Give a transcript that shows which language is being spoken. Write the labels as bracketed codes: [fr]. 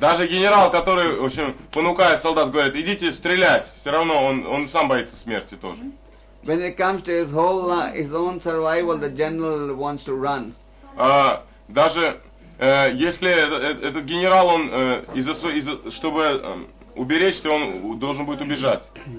[ru] Даже генерал, который, в общем, понукает солдат, говорит, идите стрелять, все равно он сам боится смерти тоже. [en] When it comes to his whole his own survival, the general wants to run. [ru] Если этот генерал, он чтобы уберечься, он должен будет убежать.